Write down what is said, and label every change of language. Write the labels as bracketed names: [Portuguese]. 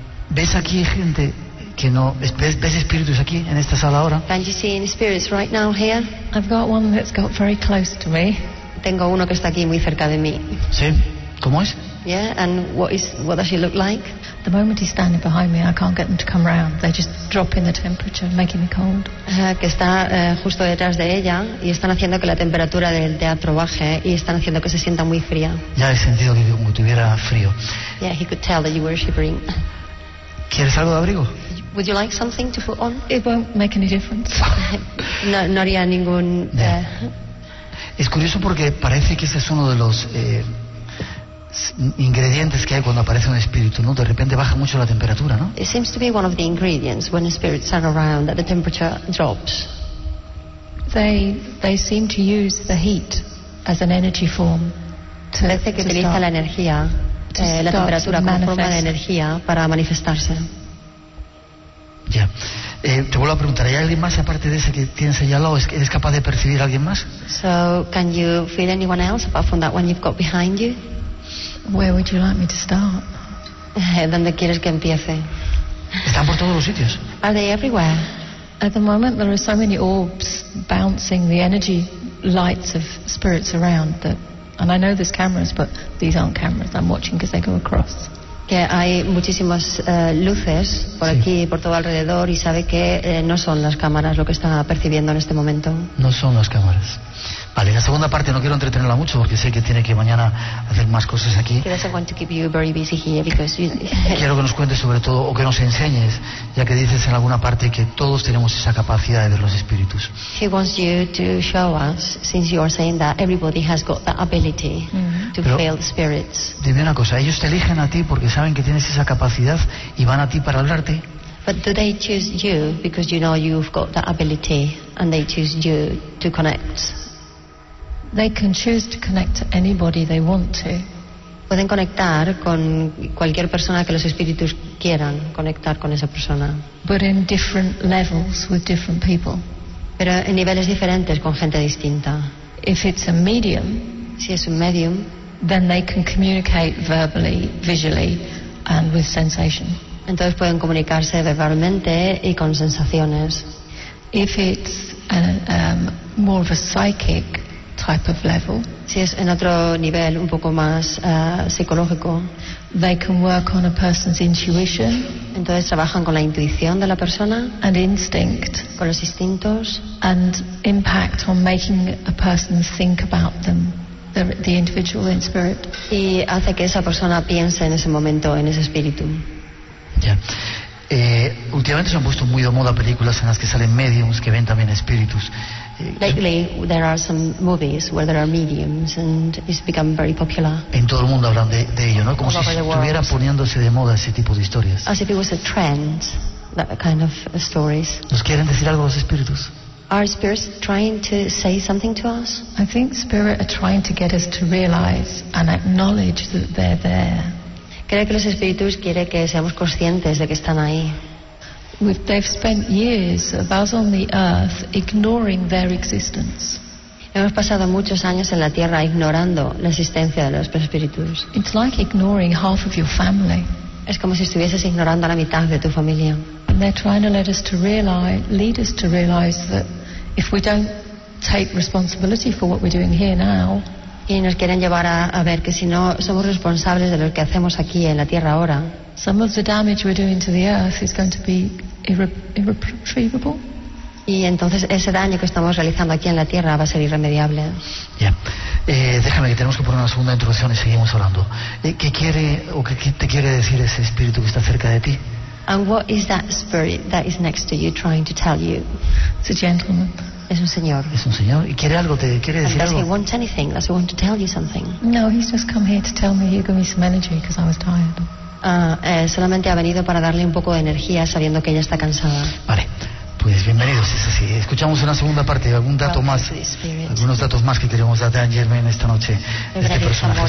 [Spanish] ¿Ves aquí gente que no ves espíritus aquí en esta sala ahora? [English] Can you see any spirits right now here? I've got one that's got very close to me. [Spanish] Tengo uno que está aquí muy cerca de mí. ¿Sí? ¿Cómo es? [English] Yeah, and what does he look like? The moment he's standing behind me, I can't get them to come round. They're just dropping the temperature, making me cold. [Spanish] Que está justo detrás de ella y están haciendo que la temperatura del teatro baje y están haciendo que se sienta muy fría. Ya he sentido que como tuviera frío. [English] Yeah, he could tell that you were shivering. [Spanish] ¿Quieres algo de abrigo? [English] Would you like something to put on? It won't make any difference. [Spanish] No haría ningún. Es curioso porque parece que ese es uno de los ingredientes que hay cuando aparece un espíritu, ¿no? De repente baja mucho la temperatura, ¿no? [English] It seems to be one of the ingredients when spirits are around that the temperature drops. They seem to use the heat as an energy form. [Spanish] Parece que utiliza la energía, la temperatura como forma de energía para manifestarse. Ya. [English] Yeah. [Spanish] Te vuelvo a preguntar, ¿hay alguien más aparte de ese que tienes allá al lado? ¿Eres capaz de percibir a alguien más? [English] So, can you feel anyone else apart from that one you've got behind you? Where would you like me to start? [Spanish] ¿Dónde quieres que empiece? Están por todos los sitios. [English] Are they everywhere? At the moment there are so many orbs bouncing the energy lights of spirits around that, and I know there's cameras, but these aren't cameras. I'm watching because they go across. [Spanish] Que hay muchísimas luces por aquí y por todo alrededor y sabe que no son las cámaras lo que está percibiendo en este momento. No son las cámaras. Vale, la segunda parte no quiero entretenerla mucho porque sé que tiene que mañana hacer más cosas aquí. [English] He doesn't want to keep you very busy here because you... [Spanish] Quiero que nos cuentes sobre todo o que nos enseñes, ya que dices en alguna parte que todos tenemos esa capacidad de ver los espíritus. [English] He wants you to show us, since you are saying that everybody has got the ability to feel spirits. [Spanish] Dime una cosa, ellos te eligen a ti porque saben que tienes esa capacidad y van a ti para hablarte. [English] But do they choose you because you know you've got that ability and they choose you to connect? They can choose to connect to anybody they want to. [Spanish] Pueden conectar con cualquier persona que los espíritus quieran conectar con esa persona. [English] But in different levels with different people. [Spanish] Pero en niveles diferentes con gente distinta. [English] If it's a medium, [Spanish] si es un medium, [English] then they can communicate verbally, visually, and with sensation. [Spanish] Entonces pueden comunicarse verbalmente y con sensaciones. [English] If it's and more of a psychic type of level. [Spanish] Si es en otro nivel, un poco más psicológico. [English] They can work on a person's intuition. [Spanish] Entonces trabajan con la intuición de la persona. [English] And instinct. [Spanish] Con los instintos. [English] And impact on making a person think about them, the individual in spirit. [Spanish] Y hace que esa persona piense en ese momento, en ese espíritu. Ya. Últimamente se han puesto muy de moda películas en las que salen médiums que ven también espíritus. [English] Lately, there are some movies where there are mediums, and it's become very popular. [Spanish] En todo el mundo hablan de ello, ¿no? Como si estuviera poniéndose de moda ese tipo de historias. [English] As if it was a trend, that kind of stories. [Spanish] ¿Nos quieren decir algo los espíritus? [English] Are spirits trying to say something to us? I think spirits are trying to get us to realize and acknowledge that they're there. [Spanish] Creo que los espíritus quieren que seamos conscientes de que están ahí. [English] They've spent years of us on the earth ignoring their existence. [Spanish] Hemos pasado muchos años en la tierra ignorando la existencia de los espíritus. [English] It's like ignoring half of your family. [Spanish] Es como si estuvieses ignorando la mitad de tu familia. [English] And they're trying to lead us to realize that if we don't take responsibility for what we're doing here now. [Spanish] Y nos quieren llevar a ver que si no somos responsables de lo que hacemos aquí en la tierra ahora. [English] Some of the damage we're doing to the earth is going to be irretrievable. [Spanish] Y entonces ese daño que estamos realizando aquí en la tierra va a ser irremediable. Ya. Déjame que tenemos que poner una segunda introducción y seguimos hablando. ¿Qué quiere o qué te quiere decir ese espíritu que está cerca de ti? [English] And what is that spirit that is next to you trying to tell you? It's a gentleman. [Spanish] Es un señor. Es un señor y quiere algo, te quiere decir algo. [English] Does he want anything? Does he want to tell you something? No, he's just come here to tell me he'll give me some energy because I was tired. [Spanish] Solamente ha venido para darle un poco de energía sabiendo que ella está cansada. Vale, pues bienvenidos, es así. Escuchamos una segunda parte, algún dato más, algunos datos más que queremos dar a Dan Germain esta noche, de este personaje.